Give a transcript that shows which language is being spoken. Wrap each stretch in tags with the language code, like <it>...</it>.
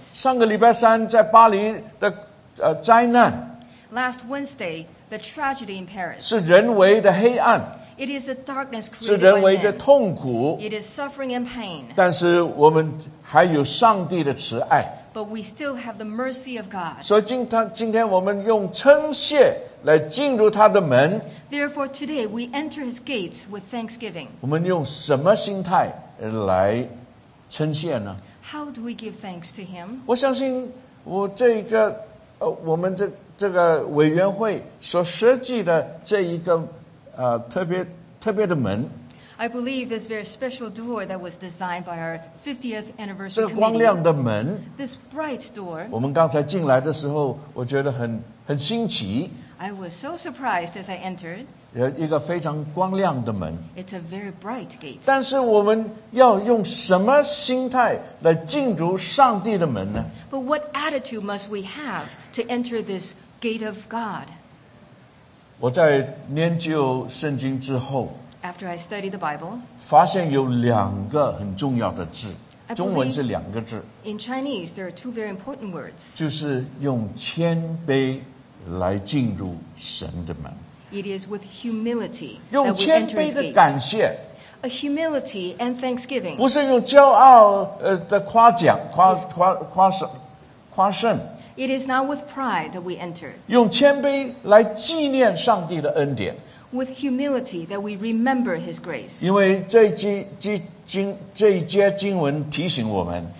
<zh>上个礼拜三在巴黎的灾难。</zh> <en>Last Wednesday, the tragedy in Paris.</en> <zh>是人为的黑暗。</zh> <en>It is the darkness created by men.</en> <zh>是人为的痛苦。</zh> <en>It is suffering and pain.</en> <zh>但是我们还有上帝的慈爱。</zh> <en>But we still have the mercy of God.</en> <zh>所以今天我们用称谢来进入他的门。</zh> <en>Therefore, today we enter his gates with thanksgiving.</en> <zh>我们用什么心态来称谢呢？</zh> <en>How do we give thanks to him?</en> <zh>我相信我这一个我们这个委员会所设计的这一个特别的门。</zh> <en>I believe this very special door that was designed by our 50th anniversary.</en> <zh>这个光亮的门。</zh> <en>This bright door.</en> <zh>我们刚才进来的时候，我觉得很新奇。</zh> <en>I was so surprised as I entered.</en> <zh>有一个非常光亮的门。</zh> <en>It's a very bright gate.</en> <zh>但是我们要用什么心态来进入上帝的门呢？</zh> <en>But what attitude must we have to enter this gate of God?</en> <zh>我在研究圣经之后</zh> <en>After I studied the Bible,</en> <zh>发现有两个很重要的字中文是两个字</zh> <en>In Chinese, there are two very important words.</en> <zh>就是用谦卑来进入神的门</zh> <en>It is with humility that we enter his gates.</en> <zh>用谦卑的感谢</zh> <en>A humility and thanksgiving.</en> <zh>不是用骄傲的夸奖 夸胜</zh> <en>It is not with pride that we enter.</en> <zh>用谦卑来纪念上帝的恩典</zh> <en>With humility that we remember his grace.</en> <zh>因为这一句这一节经文提醒我们</zh>